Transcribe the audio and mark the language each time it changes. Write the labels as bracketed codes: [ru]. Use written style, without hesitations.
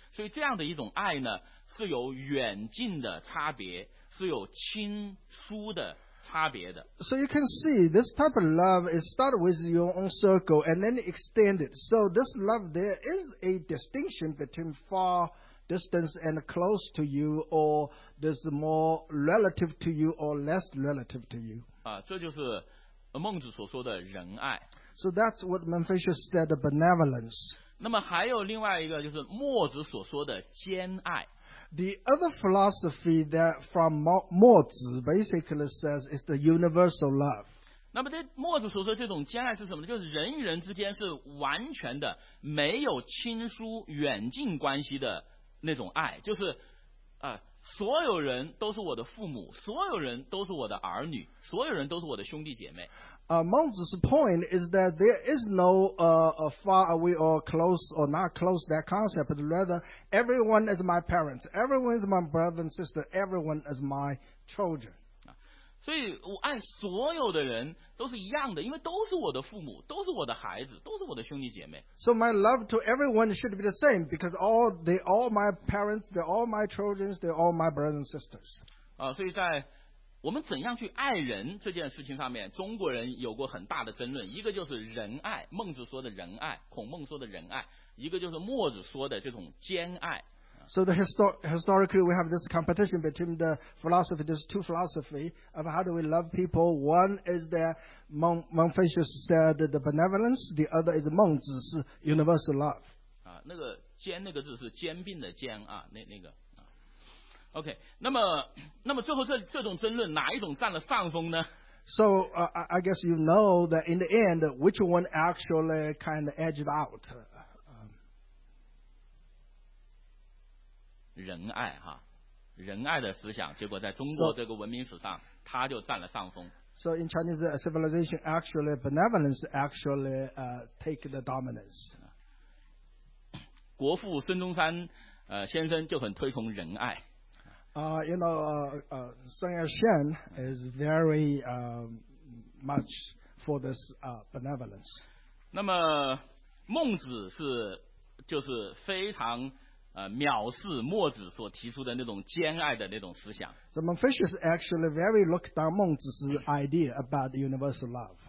[zh] 所以这样的一种爱呢，是有远近的差别，是有亲疏的差别的。 [en] So you can see this type of love is start with your own circle and then extend it. So this love, there is a distinction between far distance and close to you, or this more relative to you or less relative to you. [zh] 这就是孟子所说的仁爱。 [en] So that's what Confucius said, benevolence. [zh] 那么还有另外一个，就是墨子所说的兼爱。 [en] The other philosophy that from Mozi basically says is the universal love. [zh] 那么这墨子所说的这种兼爱是什么呢？就是人与人之间是完全的，没有亲疏远近关系的那种爱，就是所有人都是我的父母，所有人都是我的儿女，所有人都是我的兄弟姐妹。 [en] Mozi's point is that there is no far away or close or not close that concept, but rather everyone is my parents, everyone is my brother and sister, everyone is my children. [zh] 所以我爱所有的人都是一样的，因为都是我的父母，都是我的孩子，都是我的兄弟姐妹。 [en] So my love to everyone should be the same because they all my parents, they're all my children, they're all my brothers and sisters. [zh] 所以在我们怎样去爱人这件事情上面，中国人有过很大的争论。一个就是仁爱，孟子说的仁爱，孔孟说的仁爱；一个就是墨子说的这种兼爱。 [en] So the historically we have this competition between the philosophy, these two philosophy of how do we love people. One is that Confucius said the benevolence, the other is Mengzi's universal love. [zh] 那个兼那个字是兼并的兼啊，那个。OK， 那么最后这种争论哪一种占了上风呢 [en] ？So I guess you know that in the end, which one actually kind of edged out？ [zh] 仁爱哈，仁爱的思想，结果在中国这个文明史上，它就占了上风。 [en] So in Chinese, civilization actually, benevolence actually take the dominance. [zh] 国父孙中山先生就很推崇仁爱。 [en] You know, Sun Yat-sen is very much for this benevolence. [zh] 那么孟子是就是非常藐视墨子所提出的那种兼爱的那种思想。 [en] So Confucius actually very looked down 孟子's idea about universal love.